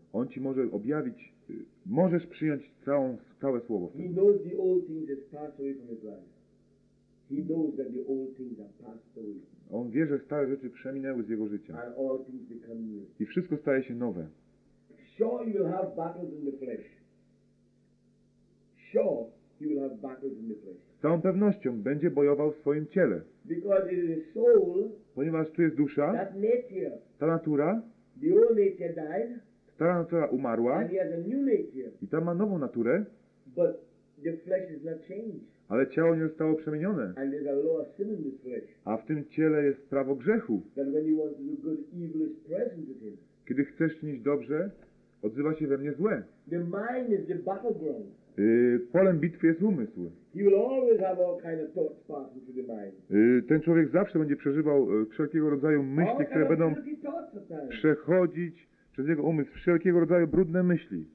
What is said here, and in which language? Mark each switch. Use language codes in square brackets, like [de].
[pl] On ci może objawić, możesz przyjąć całe słowo. [en] He knows the old things that passed away from his life. He knows that the old things have passed away. [pl] On wie, że stare rzeczy przeminęły z jego życia. [en] And all things become new. [pl] I wszystko staje się nowe. [en] Sure, you will have battles in the flesh. Sure, you will have battles in the flesh. [pl] Z całą pewnością będzie bojował w swoim ciele. [en] Because it is a soul. [pl] Ponieważ tu jest dusza. [en] That nature. [pl] Ta natura. [en] The old nature died. [pl] Stara natura umarła. [en] And he has a new nature. [pl] I ta ma nową naturę. [en] But the flesh is not changed. [pl] Ale ciało nie zostało przemienione. [en] And there's a law of sin in this flesh. [pl] A w tym ciele jest prawo grzechu. [en] That when you want to do good, evil is present with him. [pl] Kiedy chcesz czynić dobrze, odzywa się we mnie złe. [en] The mind is the battleground. [pl] Polem bitwy jest umysł. [en] He will always have all kind of thoughts passing through the mind. [pl] Ten człowiek zawsze będzie przeżywał wszelkiego rodzaju myśli, które będą przechodzić przez jego umysł. Wszelkiego rodzaju brudne myśli.